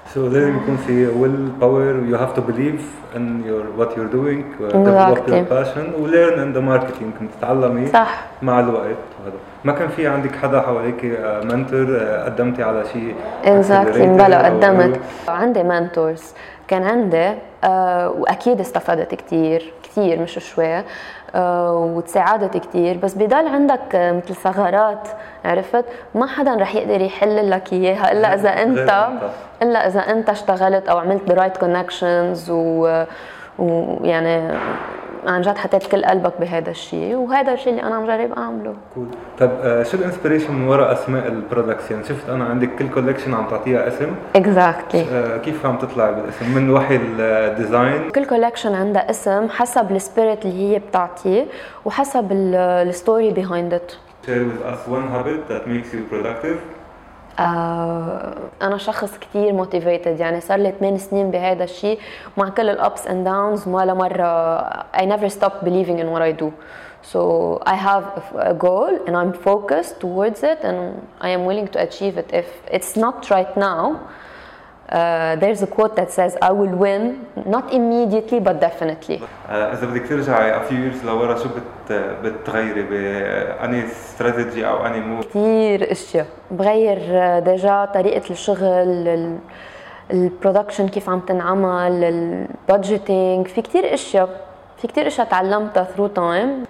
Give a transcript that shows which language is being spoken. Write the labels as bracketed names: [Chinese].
[English] So لازم يكون في will power, you have to believe in your what you're doing, develop your passion, and learn in the marketing. كنت تتعلمي [Arabic] صح. مع الوقت هذا. ما كان في عندك حدا حواليك منتور قدمتي على شيء؟ [English] exactly. [Arabic] بلا قدمت عندي mentors كان عندي وأكيد استفدت كتير مش شوية وتساعدت كتير, بس بضل عندك مثل ثغرات عرفت ما حدا رح يقدر يحل لك إياها إلا إذا أنت إلا إذا أنت اشتغلت أو عملت the right connections ويعني عن جد حطيت كل قلبك بهذا الشيء, وهذا الشيء اللي أنا عم جرب أعمله. [English] cool. [Arabic] طب شو الانسبيريشن من وراء أسماء البرودكتس؟ يعني شفت أنا عندك كل كولكشن عم تعطيها اسم. [English] exactly. [Arabic] كيف عم تطلع بالاسم من وحي الديزاين؟ كل كولكشن عندها اسم حسب السبيريت اللي هي بتعطيه وحسب الستوري behind it. [English] share with us one habit that makes you productive. أنا شخص كتير motivated, يعني صار لي 8 سنين بهذا الشيء مع كل ال ups and downs ما لمرة I never stop believing in what I do, so I have a goal and I'm focused towards it and I am willing to achieve it. If it's not right now, there's a quote that says I will win not immediately but definitely. [Arabic] إذا بدك ترجعي a few years لورا شو بتغيري بأني strategy أو أني move؟ كتير أشياء بغير, دجا طريقة الشغل ال production كيف عم تنعمل ال budgeting, في كتير أشياء تعلمتها through time.